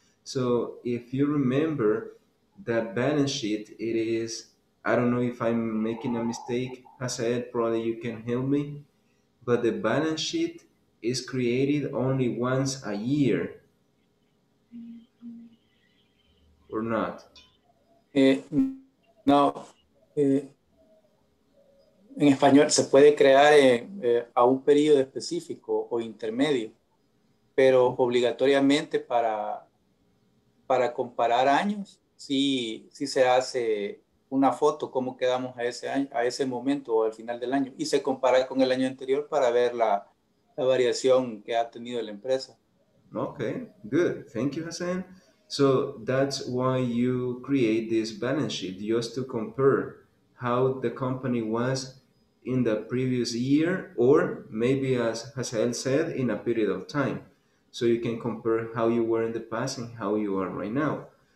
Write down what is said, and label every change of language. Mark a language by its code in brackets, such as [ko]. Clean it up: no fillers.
[en] So if you remember that balance sheet, it is, I don't know if I'm making a mistake, Hazael, probably you can help me, but the balance sheet is created only once a year, or not? No. [es] En español se puede crear a un periodo específico o intermedio, pero obligatoriamente para comparar años, sí se hace una foto, cómo quedamos a ese año, a ese momento o al final del año, y se compara con el año anterior para ver la variación que ha tenido la empresa. [en] Okay, good. Thank you, Hassan. So that's why you create this balance sheet, just to compare how the company was in the previous year, or maybe as Hazael said, in a period of time. So you can compare how you were in the past and how you are right now.